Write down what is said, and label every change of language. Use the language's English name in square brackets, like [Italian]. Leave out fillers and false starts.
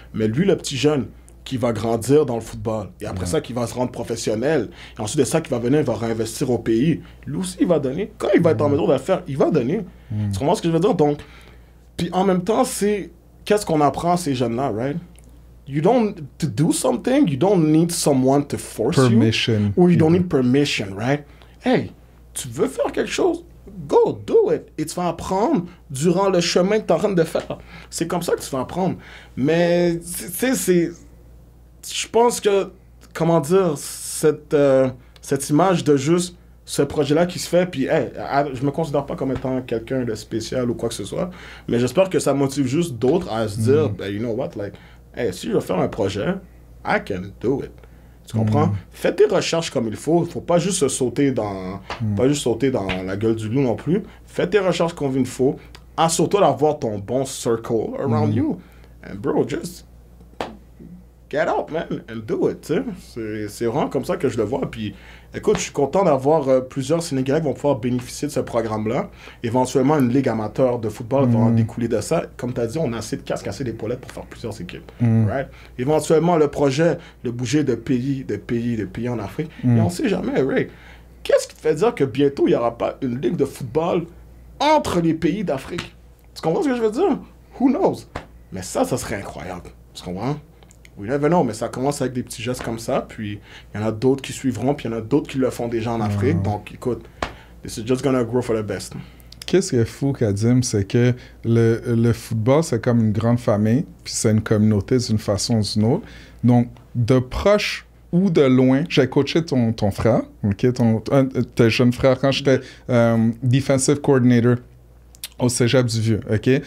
[French] Mais lui, le petit jeune qui va grandir dans le football, et après ouais. ça, qui va se rendre professionnel, et ensuite de ça, qui va venir, il va réinvestir au pays, lui aussi, il va donner. Quand il va être en mesure de le faire, il va donner. Mm. Tu comprends ce que je veux dire? Donc, puis en même temps, c'est qu'est-ce qu'on apprend à ces jeunes-là, [English] right? You don't to do something, you don't need someone to force permission. You. Or you don't need permission, right? Hey, [French] tu veux faire quelque chose? [English] Go, do it. [French] Et tu vas apprendre durant le chemin que tu es en train de faire. C'est comme ça que tu vas apprendre. Mais, tu sais, c'est... Je pense que, comment dire, cette image de juste ce projet-là qui se fait, puis hey, je me considère pas comme étant quelqu'un de spécial ou quoi que ce soit, mais j'espère que ça motive juste d'autres à se dire, mm. [English] you know what, like, hey, [French] si je veux faire un projet, [English] I can do it. [French] Tu comprends? Mm. Fais tes recherches comme il faut. Faut pas juste se sauter dans, pas juste sauter dans la gueule du loup non plus. Fais tes recherches comme il faut. Assure-toi d'avoir ton bon [English] circle around you. And bro, just get out, man, and do it. [French] T'sais? C'est vraiment comme ça que je le vois. Puis, écoute, je suis content d'avoir plusieurs Sénégalais qui vont pouvoir bénéficier de ce programme-là. Éventuellement, une ligue amateur de football va en découler de ça. Comme tu as dit, on a assez de casques, assez d'épaulettes pour faire plusieurs équipes. Mm. [English] Right? [French] Éventuellement, le projet de bouger de pays en Afrique. Mm. Et on ne sait jamais, Ray. Qu'est-ce qui te fait dire que bientôt, il n'y aura pas une ligue de football entre les pays d'Afrique? Tu comprends ce que je veux dire? [English] Who knows? [French] Mais ça serait incroyable. Tu comprends? Oui, mais non, mais ça commence avec des petits gestes comme ça, puis il y en a d'autres qui suivront, puis il y en a d'autres qui le font déjà en Afrique. [English] Wow. [French] Donc, écoute, [English] this is just gonna grow for the best. [French] Qu'est-ce qui est fou, Kadim, c'est que le football, c'est comme une grande famille, puis c'est une communauté d'une façon ou d'une autre. Donc, de proche ou de loin, j'ai coaché ton frère, ok, ton jeune frère, quand j'étais defensive coordinator au Cégep du Vieux, OK?